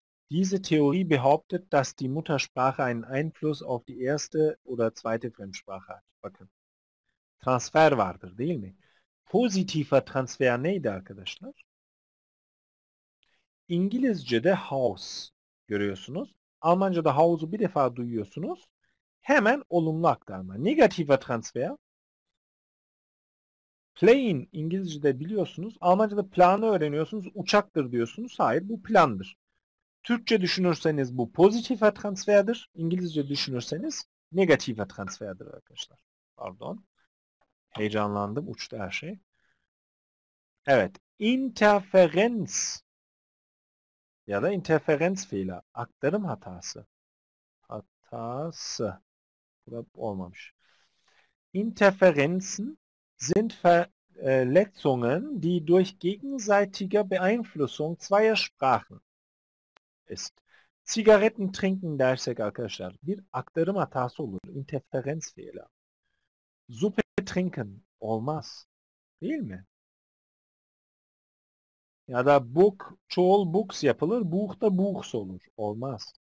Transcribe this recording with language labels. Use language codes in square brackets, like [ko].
[de] Diese Theorie behauptet, dass die Muttersprache einen Einfluss auf die erste oder zweite Fremdsprache hat. [tr] Bakın. Transfer vardır değil mi? Pozitiver Transfer neydi arkadaşlar? İngilizce'de Haus görüyorsunuz. Almanca'da Haus'u bir defa duyuyorsunuz. Hemen olumlu aktarma. Negativer Transfer. Plane İngilizce'de biliyorsunuz. Almanca'da planı öğreniyorsunuz. Uçaktır diyorsunuz. Hayır bu plandır. Türkçe düşünürseniz bu pozitif transferdir. İngilizce düşünürseniz negatif transferdir arkadaşlar. Pardon. Heyecanlandım. Uçtu her şey. Evet. Interferenz ya da interferenz fiili. Aktarım hatası. Hatası. Burada olmamış. [de] Interferenzen sind Verletzungen, die durch gegenseitige Beeinflussung zweier Sprachen ist. [tr] Zigaretten trinken dersek arkadaşlar bir aktarım hatası olur. Interferenz fehler. Suppe trinken olmaz. Değil mi? Ya da book, çoğul books yapılır. Buch da buchs olur. Olmaz.